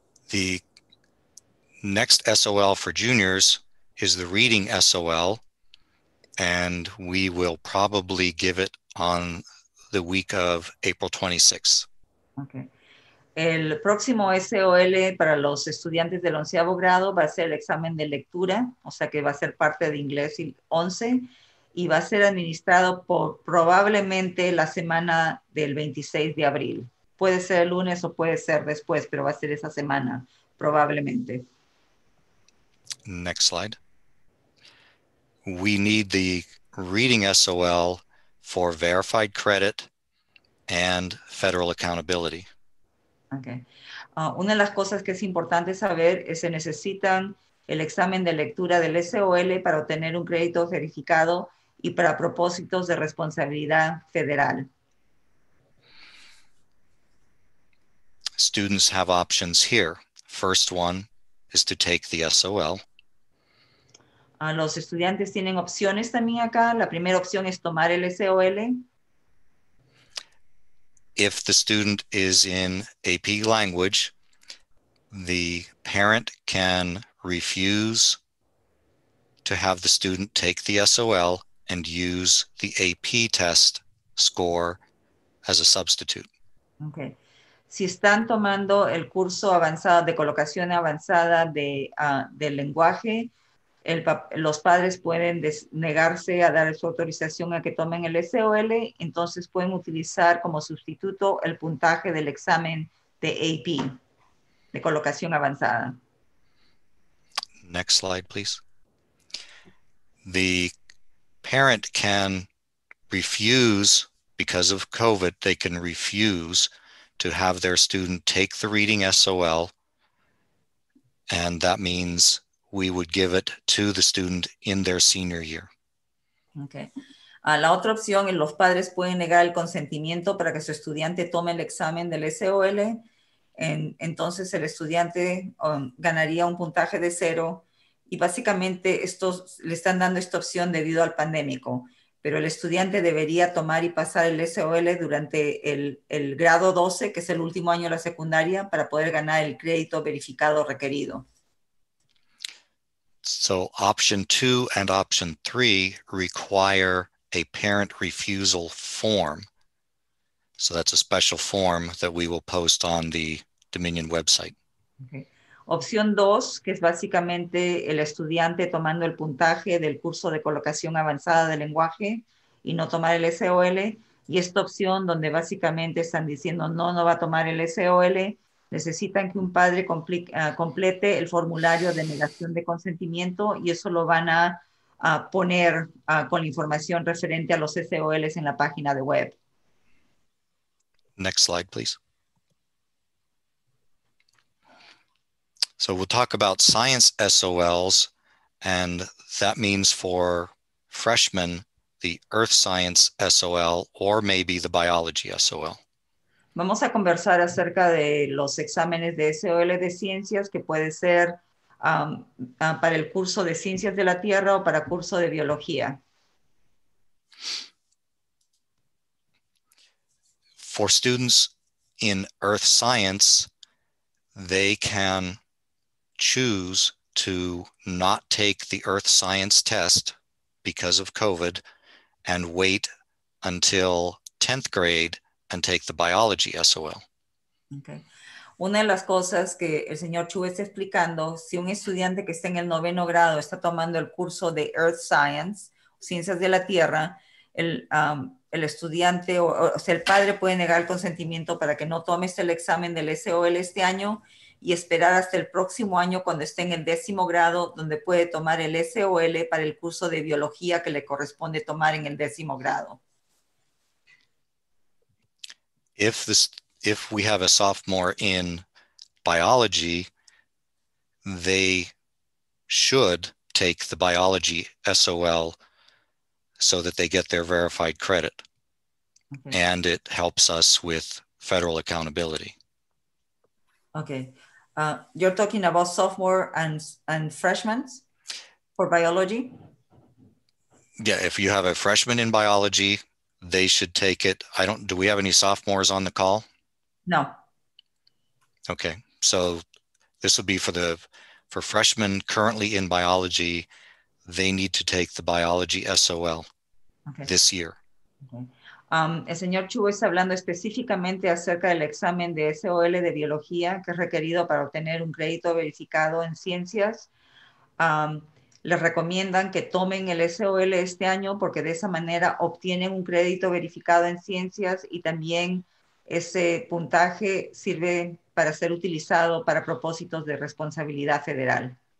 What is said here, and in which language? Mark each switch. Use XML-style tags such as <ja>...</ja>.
<en>The next SOL for juniors is the reading SOL, and we will probably give it on the week of April 26th. Okay.</en> <es>El próximo SOL para los estudiantes del onceavo grado va a ser el examen de lectura, o sea que va a ser parte de inglés 11, y va a ser administrado por probablemente la semana del 26 de abril. Puede ser el lunes o puede ser después, pero va a ser esa semana, probablemente.</es> <en>Next slide. We need the reading SOL for verified credit and federal accountability. Okay.</en> <es>Una de las cosas que es importante saber es que se necesitan el examen de lectura del SOL para obtener un crédito verificado y para propósitos de responsabilidad federal.</es> <en>Students have options here. First one is to take the SOL.</en> <es>Los estudiantes tienen opciones también acá. La primera opción es tomar el SOL.</es> <en>If the student is in AP language, the parent can refuse to have the student take the SOL and use the AP test score as a substitute. Okay.</en> <es>Si están tomando el curso avanzado de colocación avanzada de del lenguaje, los padres pueden negarse a dar su autorización a que tomen el SOL, entonces pueden utilizar como sustituto el puntaje del examen de AP, de colocación avanzada.</es> <en>Next slide, please. The parent can refuse, because of COVID, they can refuse to have their student take the reading SOL, and that means we would give it to the student in their senior year. Okay.</en> <es>La otra opción, los padres pueden negar el consentimiento para que su estudiante tome el examen del SOL. Entonces el estudiante ganaría un puntaje de cero. Y básicamente estos le están dando esta opción debido al pandémico. Pero el estudiante debería tomar y pasar el SOL durante el grado 12, que es el último año de la secundaria, para poder ganar el crédito verificado requerido.</es> <en>So option two and option three require a parent refusal form. So that's a special form that we will post on the Dominion website. Okay.</en> <es>Opción dos, que es básicamente el estudiante tomando el puntaje del curso de colocación avanzada de lenguaje y no tomar el SOL. Y esta opción donde básicamente están diciendo no, no va a tomar el SOL. Necesitan que un padre complete el formulario de negación de consentimiento y eso lo van a poner con la información referente a los SOLs en la página de web.</es> <en>Next slide, please. So we'll talk about science SOLs, and that means for freshmen, the earth science SOL or maybe the biology SOL.</en> <es>Vamos a conversar acerca de los exámenes de SOL de ciencias, que puede ser para el curso de ciencias de la Tierra o para curso de biología.</es> <en>For students in earth science, they can choose to not take the earth science test because of COVID and wait until 10th grade and take the biology SOL. Okay.</en> <es>Una de las cosas que el señor Chu está explicando, si un estudiante que está en el noveno grado está tomando el curso de Earth Science, Ciencias de la Tierra, el estudiante o sea, el padre puede negar el consentimiento para que no tome el examen del SOL este año y esperar hasta el próximo año cuando esté en el décimo grado, donde puede tomar el SOL para el curso de biología que le corresponde tomar en el décimo grado.</es> <en>If we have a sophomore in biology, they should take the biology SOL so that they get their verified credit. Okay. And it helps us with federal accountability. Okay. You're talking about sophomore and freshmen for biology? Yeah, if you have a freshman in biology, they should take it. Do we have any sophomores on the call? No. Okay. So this would be for freshmen currently in biology, they need to take the biology SOL this year. Okay.</en> <es>El señor Chu está hablando específicamente acerca del examen de SOL de biología que es requerido para obtener un crédito verificado en ciencias. Les recomiendan que tomen el SOL este año porque de esa manera obtienen un crédito verificado en ciencias y también ese puntaje sirve para ser utilizado para propósitos de responsabilidad federal.</es>